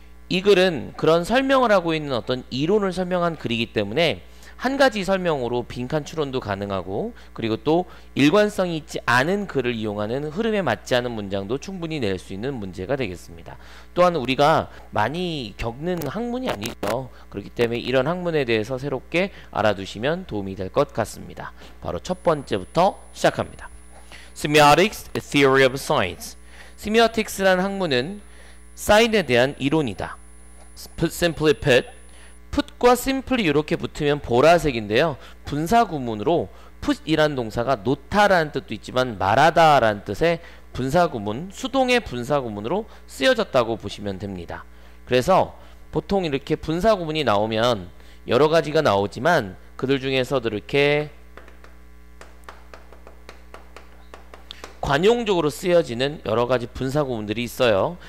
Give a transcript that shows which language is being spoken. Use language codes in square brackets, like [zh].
[ko] 이 글은 그런 설명을 하고 있는 어떤 이론을 설명한 글이기 때문에 한 가지 설명으로 빈칸 추론도 가능하고 그리고 또 일관성이 있지 않은 글을 이용하는 흐름에 맞지 않은 문장도 충분히 낼 수 있는 문제가 되겠습니다. 또한 우리가 많이 겪는 학문이 아니죠. 그렇기 때문에 이런 학문에 대해서 새롭게 알아두시면 도움이 될 것 같습니다. 바로 첫 번째부터 시작합니다. [en] Semiotics, a theory of science. [ko] Semiotics라는 학문은 사인에 대한 이론이다. Put simply put, put과 simply 이렇게 붙으면 보라색인데요. 분사구문으로 put이란 동사가 놓다라는 뜻도 있지만 말하다라는 뜻의 분사구문, 수동의 분사구문으로 쓰여졌다고 보시면 됩니다. 그래서 보통 이렇게 분사구문이 나오면 여러 가지가 나오지만 그들 중에서도 이렇게 관용적으로 쓰여지는 여러 가지 분사구문들이 있어요.